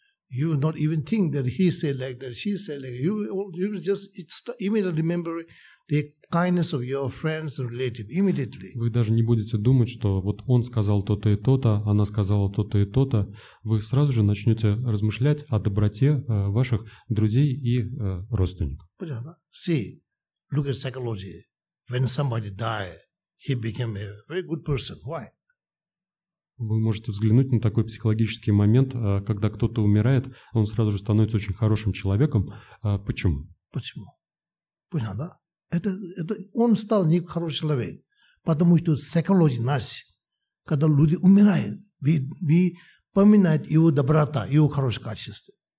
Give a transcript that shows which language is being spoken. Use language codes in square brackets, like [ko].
[en] You will not even think that he said like that, she said like that. You will just immediately remember the kindness of your friends and relatives immediately. [ru] Вы даже не будете думать, что вот он сказал то-то и то-то, она сказала то-то и то-то. Вы сразу же начнете размышлять о доброте ваших друзей и родственников. Понятно? [en] See, look at psychology. When somebody died, he became a very good person. Why? [ru] Вы можете взглянуть на такой психологический момент, когда кто-то умирает, он сразу же становится очень хорошим человеком. Почему? Почему? Понятно, да? Это он стал не хороший человек, потому что психология нас, когда люди умирают, мы поминаем его доброта, его хорошие качества.